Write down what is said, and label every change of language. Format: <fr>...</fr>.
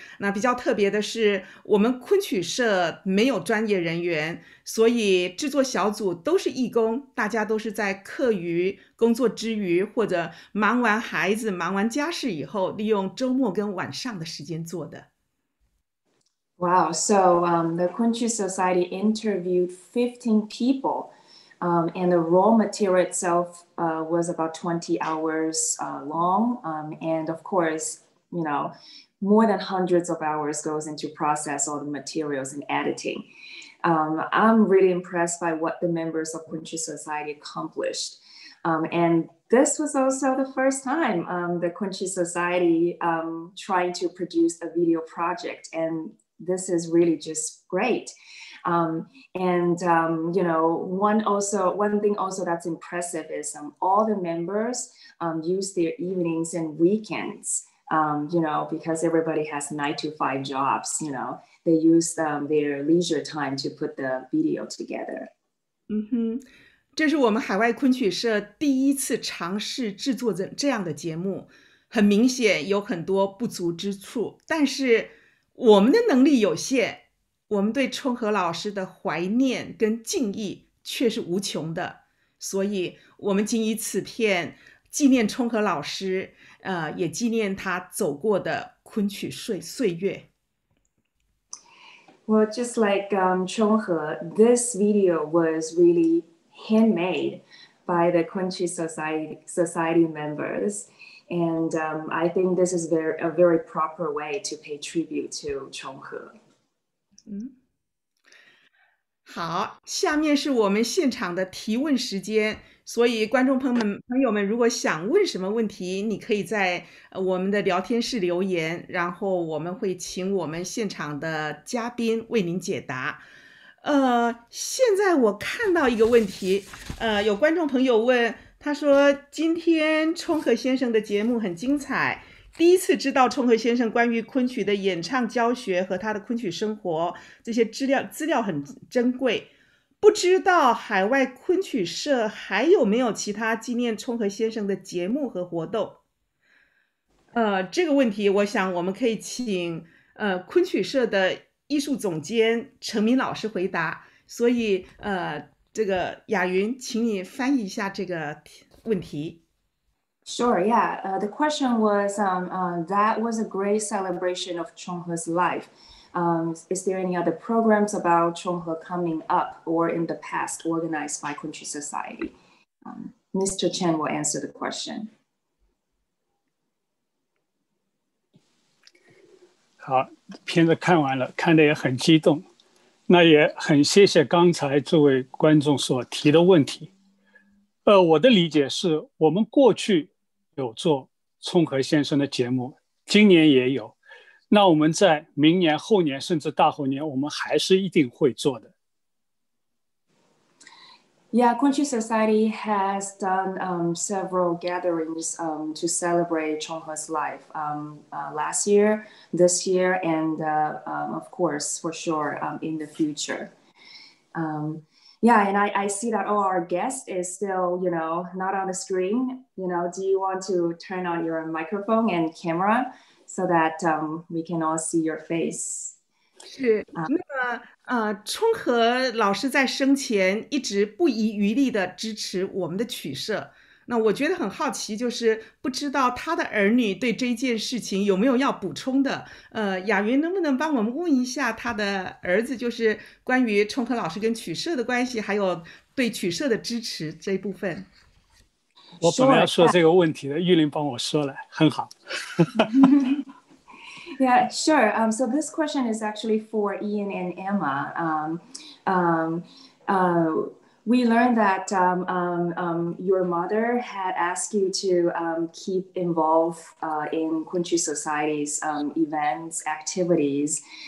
<zh>那比较特别的是，我们昆曲社没有专业人员，所以制作小组都是义工，大家都是在课余工作之余或者忙完孩子忙完家事以后，利用周末跟晚上的时间做的。</zh> <en>Wow, so the Kunqu Society interviewed 15 people and the raw material itself was about 20 hours long. And of course, you know, more than hundreds of hours goes into process all the materials and editing. I'm really impressed by what the members of Kunqu Society accomplished. And this was also the first time the Kunqu Society trying to produce a video project, and this is really just great. You know, one thing also that's impressive is all the members use their evenings and weekends, you know, because everybody has 9-to-5 jobs, you know, they use their leisure time to put the video together.</en> <zh>这是我们海外昆曲社第一次尝试制作这样的节目，很明显有很多不足之处，但是我们的能力有限，我们对充和老师的怀念跟敬意却是无穷的，所以我们仅以此片纪念充和老师，也纪念他走过的昆曲岁月。</zh> <en>Well, just like Chong He, this video was really handmade by the Kunqu Society members. And I think this is a very proper way to pay tribute to Chonghe.</en> <zh>好，下面是我们现场的提问时间，所以观众朋友们如果想问什么问题，你可以在我们的聊天室留言，然后我们会请我们现场的嘉宾为您解答。现在我看到一个问题，有观众朋友问，他说今天冲和先生的节目很精彩，第一次知道冲和先生关于昆曲的演唱教学和他的昆曲生活，这些资料很珍贵，不知道海外昆曲社还有没有其他纪念冲和先生的节目和活动。这个问题我想我们可以请昆曲社的艺术总监陈明老师回答，所以这个雅云，请你翻译一下这个问题。</zh> <en>Sure, yeah. The question was, that was a great celebration of Chonghe's life. Is there any other programs about Chonghe coming up or in the past organized by Kunqu Society? Mr. Chen will answer the question.</en> <zh>好，片子看完了，看得也很激动。那也很谢谢刚才这位观众所提的问题。我的理解是我们过去有做冲和先生的节目，今年也有，那我们在明年后年甚至大后年我们还是一定会做的。</zh> <en>Yeah, Kunqu Society has done several gatherings to celebrate Chonghe's life last year, this year, and of course for sure in the future. Yeah, and I see that all our guest is still, you know, not on the screen. You know, do you want to turn on your microphone and camera so that we can all see your face?</en> <zh>是，那么冲和老师在生前一直不遗余力的支持我们的曲社。那我觉得很好奇，就是不知道他的儿女对这件事情有没有要补充的。雅云能不能帮我们问一下他的儿子，就是关于冲和老师跟曲社的关系，还有对曲社的支持这一部分。我本来要说这个问题的，玉林帮我说了，很好。</zh> <en>Yeah, sure. So this question is actually for Ian and Emma. We learned that your mother had asked you to keep involved in Kunqu Society's events, activities.</en>